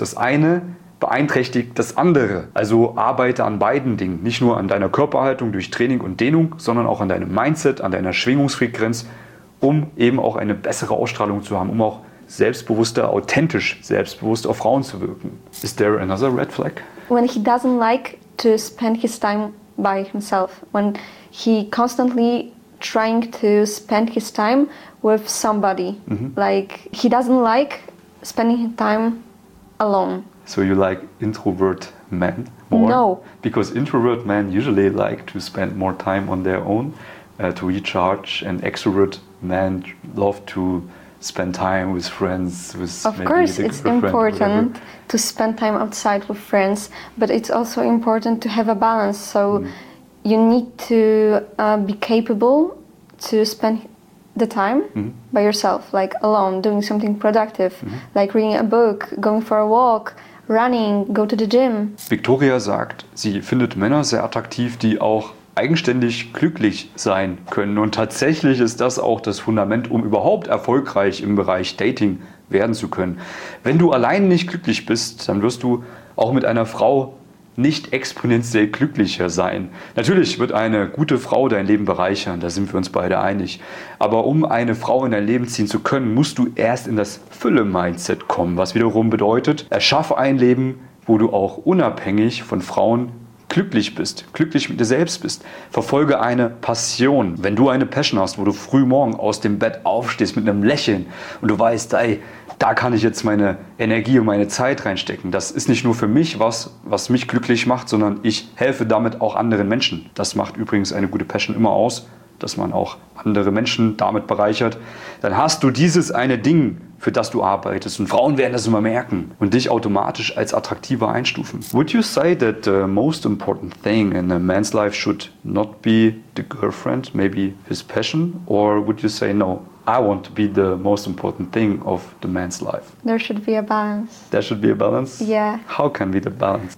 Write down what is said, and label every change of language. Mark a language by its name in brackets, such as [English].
[German] Das eine beeinträchtigt das andere. Also arbeite an beiden Dingen. Nicht nur an deiner Körperhaltung durch Training und Dehnung, sondern auch an deinem Mindset, an deiner Schwingungsfrequenz um eben auch eine bessere Ausstrahlung zu haben, um auch selbstbewusster, authentisch selbstbewusst auf Frauen zu wirken. [English] Is there another red flag? When he doesn't like to spend his time by himself, when he constantly trying to spend his time with somebody, like he doesn't like spending time alone. So you like introvert men more? No. Because introvert men usually like to spend more time on their own to recharge, and extrovert men love to spend time with friends. Of course, it's important to spend time outside with friends, but it's also important to have a balance. So you need to be capable to spend the time by yourself, like alone, doing something productive, like reading a book, going for a walk, running, go to the gym. [German] Victoria sagt, sie findet Männer sehr attraktiv, die auch eigenständig glücklich sein können. Und tatsächlich ist das auch das Fundament, um überhaupt erfolgreich im Bereich Dating werden zu können. Wenn du allein nicht glücklich bist, dann wirst du auch mit einer Frau nicht exponentiell glücklicher sein. Natürlich wird eine gute Frau dein Leben bereichern, da sind wir uns beide einig. Aber um eine Frau in dein Leben ziehen zu können, musst du erst in das Fülle-Mindset kommen, was wiederum bedeutet, erschaffe ein Leben, wo du auch unabhängig von Frauen glücklich bist, glücklich mit dir selbst bist. Verfolge eine Passion. Wenn du eine Passion hast, wo du früh morgen aus dem Bett aufstehst mit einem Lächeln und du weißt, ey, da kann ich jetzt meine Energie und meine Zeit reinstecken. Das ist nicht nur für mich was, was mich glücklich macht, sondern ich helfe damit auch anderen Menschen. Das macht übrigens eine gute Passion immer aus, dass man auch andere Menschen damit bereichert. Dann hast du dieses eine Ding, für das du arbeitest. Und Frauen werden das immer merken und dich automatisch als attraktiver einstufen. [English] Would you say that the most important thing in a man's life should not be the girlfriend, maybe his passion? Or would you say no? I want to be the most important thing of the man's life. There should be a balance. There should be a balance? Yeah. How can be the balance?